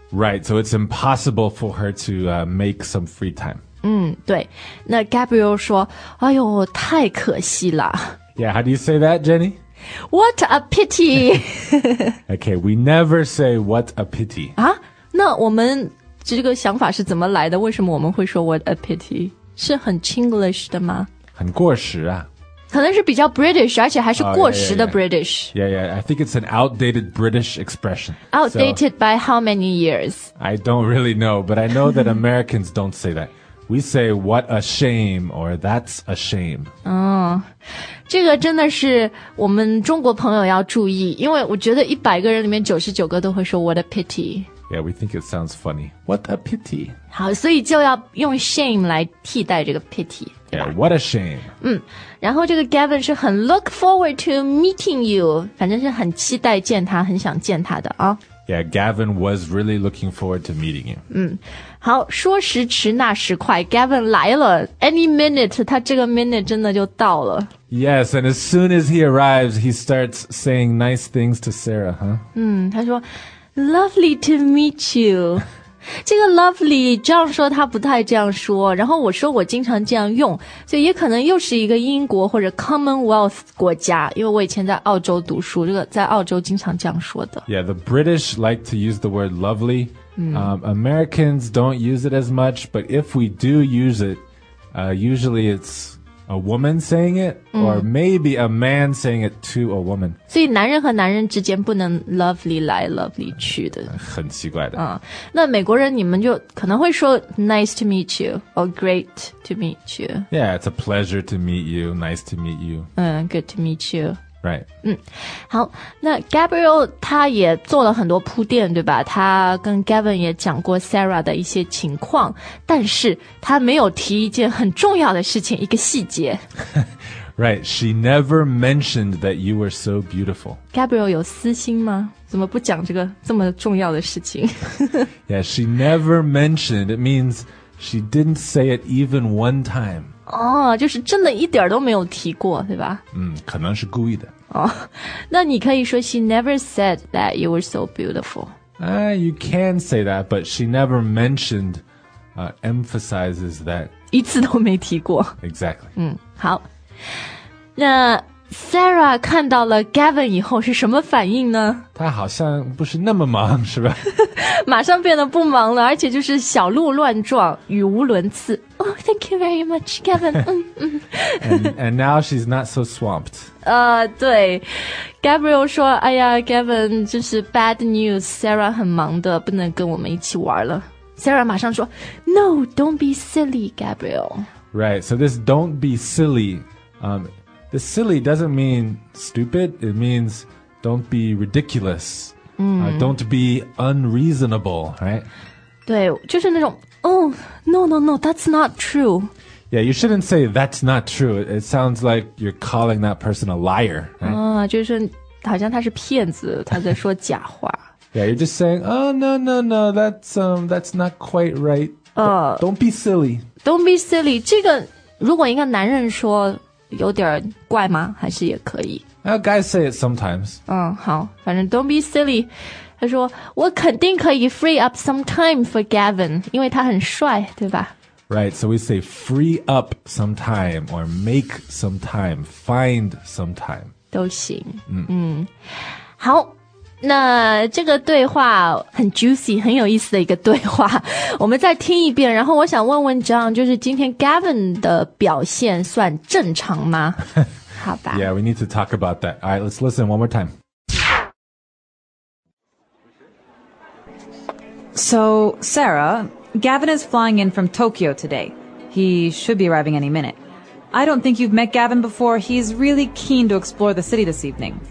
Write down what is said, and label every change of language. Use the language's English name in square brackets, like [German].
[English] Right, so it's impossible for her to make some free time. [Chinese] 对。那 Gabriel 说哎呦太可惜了。 [English] Yeah, how do you say that, Jenny? What a pity! Okay, we never say what a pity. [Chinese] 那我们这个想法是怎么来的？为什么我们会说 [English] what a pity? [Chinese] 是很 Chinglish 的吗？很过时啊。可能是比较 British, 而且还是过时的 British. [English] Yeah, I think it's an outdated British expression. Outdated by how many years? I don't really know, but I know that Americans don't say that. We say, what a shame, or that's a shame. [Chinese] 这个真的是我们中国朋友要注意，因为我觉得100个人里面99个都会说 [English] what a pity. Yeah, we think it sounds funny. What a pity. [Chinese] 好，所以就要用 shame 来替代这个 pity, 对吧？ [English] Yeah, what a shame. [Chinese] 然后这个 Gavin 是很 [English] look forward to meeting you, [Chinese] 反正是很期待见他，很想见他的啊。 [English] Yeah, Gavin was really looking forward to meeting him. [Chinese] 好，说时迟那时快 ,Gavin 来了 , [English] any minute, [Chinese] 他这个 minute 真的就到了。 [English] Yes, and as soon as he arrives, he starts saying nice things to Sarah, huh? [Chinese] 他说 [English] ,lovely to meet you. [Chinese] 这个 lovely, 这样说他不太这样说，然后我说我经常这样用，所以也可能又是一个英国或者 Commonwealth 国家，因为我以前在澳洲读书，这个在澳洲经常这样说的。 [English] Yeah, the British like to use the word lovely. Americans don't use it as much, but if we do use it, usually it's a woman saying it, or maybe a man saying it to a woman. [Chinese] 所以男人和男人之间不能 lovely 来 lovely 去的。很奇怪的。那美国人你们就可能会说 [English] nice to meet you, or great to meet you. Yeah, it's a pleasure to meet you, nice to meet you. Good to meet you. Right. [Chinese] 好，那 Gabriel 他也做了很多铺垫，对吧？他跟 Gavin 也讲过 Sarah 的一些情况，但是他没有提一件很重要的事情，一个细节。 Right, she never mentioned that you were so beautiful. Gabriel 有私心吗？怎么不讲这个这么重要的事情？ [English] Yeah, she never mentioned. It means she didn't say it even one time. [Chinese] 就是真的一点都没有提过，对吧？可能是故意的。那你可以说 [English] she never said that you were so beautiful. You can say that, but she never mentioned, emphasizes that. [Chinese] 一次都没提过。 [English] Exactly. [Chinese] 好。那 Sarah 看到了 Gavin 以后是什么反应呢？他好像不是那么忙，是吧？马上变得不忙了，而且就是小鹿乱撞，语无伦次。 [English] Oh, thank you very much, Gavin. and now she's not so swamped. [Chinese] 对 ，Gabriel 说：“哎呀 ，Gavin， 就是 [English] bad news. [Chinese] Sarah 很忙的，不能跟我们一起玩了。” [English] Sarah [Chinese] 马上说 [English] ：“No, don't be silly, Gabriel. Right. So this don't be silly.” The silly doesn't mean stupid. It means don't be ridiculous. Don't be unreasonable, right? [Chinese] 对，就是那种 [English] that's not true. Yeah, you shouldn't say that's not true. It sounds like you're calling that person a liar. Right? [Chinese] 就是好像他是骗子，他在说假话。 [English] Yeah, you're just saying, oh, no, that's not quite right. Don't be silly. Don't be silly. [Chinese] 这个如果一个男人说有点怪吗？还是也可以。 [English] Guys say it sometimes. [Chinese] 好，反正 [English] don't be silly. [Chinese] 他说我肯定可以 [English] free up some time for Gavin, [Chinese] 因为他很帅，对吧？ [English] Right. So we say free up some time or make some time, find some time. [Chinese] 都行。好，那这个对话很 juicy, 很有意思的一个对话。我们再听一遍，然后我想问问 John, 就是今天 Gavin 的表现算正常吗？好吧。 [English] Yeah, we need to talk about that. All right, let's listen one more time. So, Sarah, Gavin is flying in from Tokyo today. He should be arriving any minute. I don't think you've met Gavin before. He's really keen to explore the city this evening.